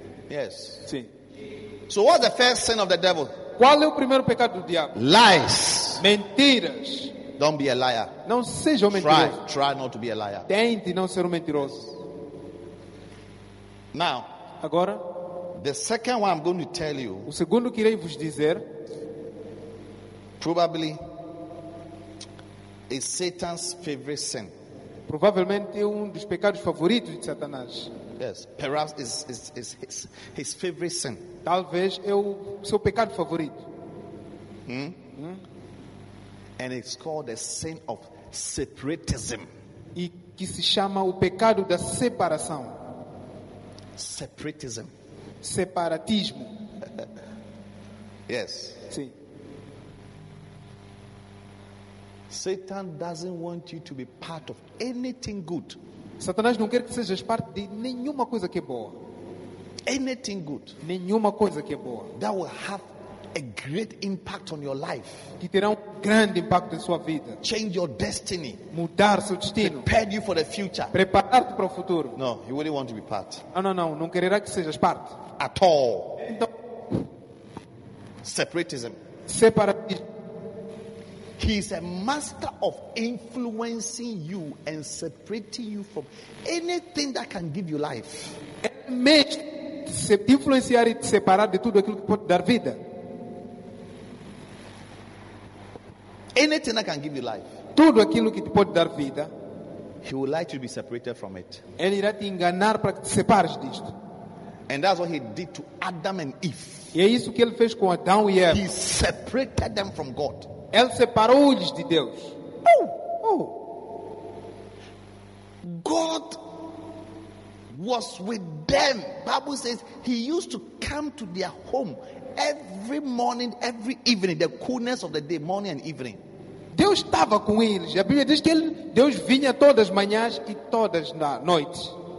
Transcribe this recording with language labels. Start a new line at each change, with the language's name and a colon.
English: Yes.
Portuguese: Sim.
English: So what's the first sin of the devil?
Portuguese: Qual é o primeiro pecado do diabo?
English: Lies.
Portuguese: Mentiras.
English: Don't be a liar.
Portuguese: Não seja um mentiroso.
English: Try not to be a liar.
Portuguese: Tente não ser um mentiroso.
English: Now.
Portuguese: Agora.
English: The second one I'm going to tell you.
Portuguese: O segundo que irei vos dizer.
English: Probably is Satan's favorite sin.
Portuguese: Provavelmente um dos pecados favoritos de Satanás.
English: Yes, perhaps is his favorite sin.
Portuguese: Talvez é o seu pecado favorito.
English: And it's called the sin of separatism.
Portuguese: E que se chama o pecado da separação.
English: Separatism.
Portuguese: Separatismo.
English: Yes.
Portuguese: Sim.
English: Satan doesn't want you to be part of anything good.
Portuguese: Satanás não quer que sejas parte de nenhuma coisa que é boa.
English: Anything good.
Portuguese: Nenhuma coisa que é boa.
English: That will have a great impact on your life.
Portuguese: Que terá grande impacto em sua vida.
English: Change your destiny.
Portuguese: Mudar seu destino.
English: Prepare you for the future.
Portuguese: Preparar-te para o futuro.
English: No, you wouldn't want to be part.
Portuguese: Não. Não quererá que sejas parte.
English: At all.
Portuguese: Então,
English: separatism.
Portuguese: Separatismo.
English: He is a master of influencing you and separating you from anything that can give you life.
Portuguese: Mestre, influenciar e separar de tudo aquilo que pode dar vida.
English: Anything that can give you life.
Portuguese: Tudo aquilo que te pode dar vida.
English: He would like to be separated from it.
Portuguese: Ele irá te enganar para que te separes disto.
English: And that's what he did to Adam and Eve.
Portuguese: E é isso que ele fez com Adão e Eva.
English: He separated them from God.
Portuguese: Ele separou-os de Deus.
English: Oh,
Portuguese: oh.
English: God was with them. Bible says he used to come to their home every morning, every evening, the coolness of the day, morning and evening.
Portuguese: Deus estava com eles. A Bíblia diz que ele, Deus vinha todas as manhãs e todas na noite.